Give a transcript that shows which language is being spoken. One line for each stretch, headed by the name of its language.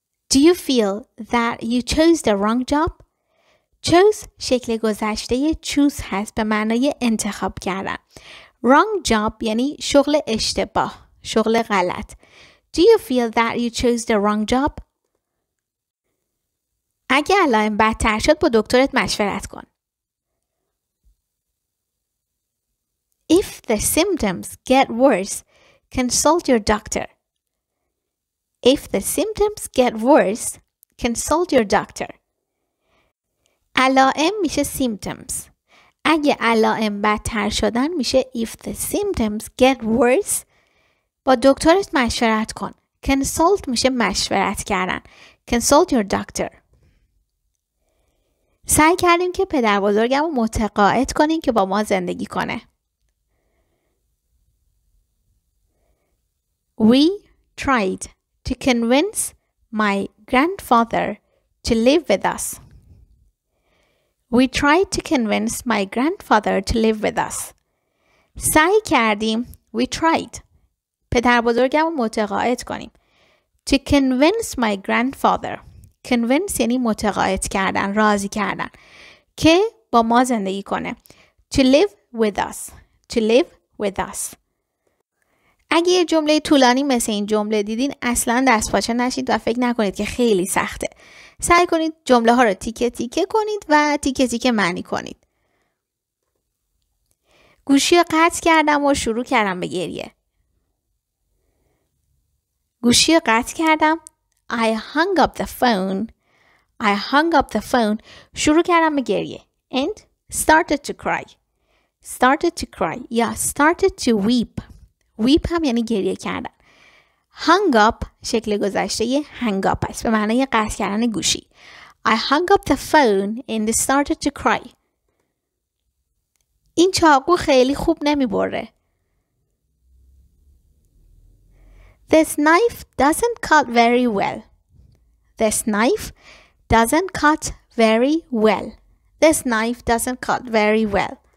English: Do you feel that you chose the wrong job?
Persian: Chose شکل گذشته choose هست به معنای انتخاب کردن. Wrong job یعنی شغل اشتباه، شغل غلط.
English: Do you feel that you chose the wrong job?
Persian: اگه علائم بدتر شد با دکترت مشورت کن.
English: If the symptoms get worse, consult your doctor. If the symptoms get worse, consult your doctor.
Persian: علائم میشه symptoms. اگه علائم بدتر شدن میشه
English: if the symptoms get worse,
Persian: با دکترت مشورت کن. Consult میشه مشورت کردن.
English: Consult your doctor.
Persian: سعی کردیم که پدر بزرگم رو متقاعد کنیم که با ما زندگی کنه.
English: We tried to convince my grandfather to live with us. We tried to convince my grandfather to live with us.
Persian: سعی کردیم
English: we tried
Persian: پدر بزرگم رو متقاعد کنیم
English: to convince my grandfather.
Persian: Convince یعنی متقاعد کردن، راضی کردن که با ما زندگی کنه.
English: To live with us. To live with us.
Persian: اگه یه جمله طولانی مثل این جمله دیدین اصلا دست پاچه نشید و فکر نکنید که خیلی سخته. سعی کنید جمله ها رو تیکه تیکه کنید و تیکه تیکه معنی کنید. گوشی رو قطع کردم و شروع کردم به گریه. گوشی رو قطع کردم.
English: I hung up the phone. I hung up the phone.
Persian: شروع کردم به گریه.
English: And started to cry. Started to cry.
Persian: یا
English: started to weep. Weep
Persian: هم یعنی گریه کردن. Hung up شکل گذشته یه hang up است. به معنی قطع کردن گوشی.
English: I hung up the phone and started to cry.
Persian: این چاقو خیلی خوب نمی بره.
English: This knife doesn't cut very well. This knife doesn't cut very well. This knife doesn't cut very well.